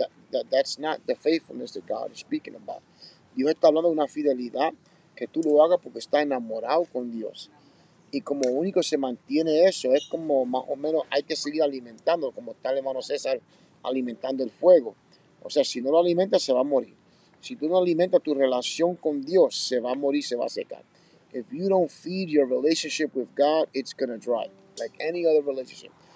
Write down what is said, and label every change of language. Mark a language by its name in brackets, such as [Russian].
[English] That's not the faithfulness that God is speaking about. [Spanish] Dios está hablando de una fidelidad que tú lo hagas porque estás enamorado con Dios. Y como único se mantiene eso, es como más o menos hay que seguir alimentando, como está el hermano César alimentando el fuego. O sea, si no lo alimentas, se va a morir. Si tú no alimentas tu relación con Dios, se va a morir, se va a secar. [English] If you don't feed your relationship with God, it's going to dry, like any other relationship.